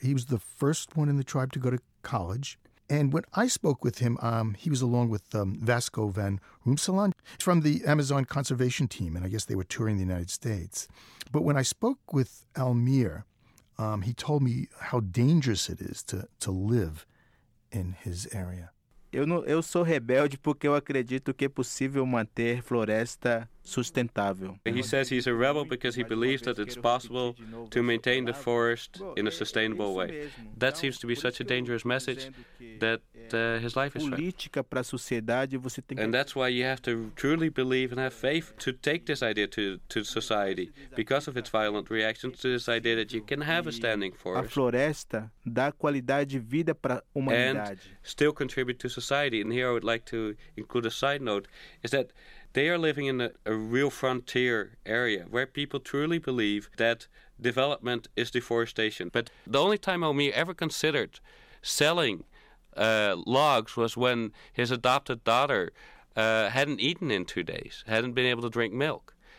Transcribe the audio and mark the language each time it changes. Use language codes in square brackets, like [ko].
[en] He was the first one in the tribe to go to college. And when I spoke with him, he was along with Vasco Van Rumselan from the Amazon Conservation Team, and I guess they were touring the United States. But when I spoke with Almir, he told me how dangerous it is to live in his area. [pt] Eu sou rebelde porque eu acredito que é possível manter floresta sustentável. [en] He says he's a rebel because he believes that it's possible to maintain the forest in a sustainable way. That seems to be such a dangerous message that his life is threatened. And that's why you have to truly believe and have faith to take this idea to society because of its violent reactions to this idea that you can have a standing forest. [pt] A floresta dá qualidade de vida para a humanidade. [en] And still contribute to society. And here I would like to include a side note, is that they are living in a real frontier area where people truly believe that development is deforestation. But the only time Almir ever considered selling logs was when his adopted daughter hadn't eaten in 2 days, hadn't been able to drink milk.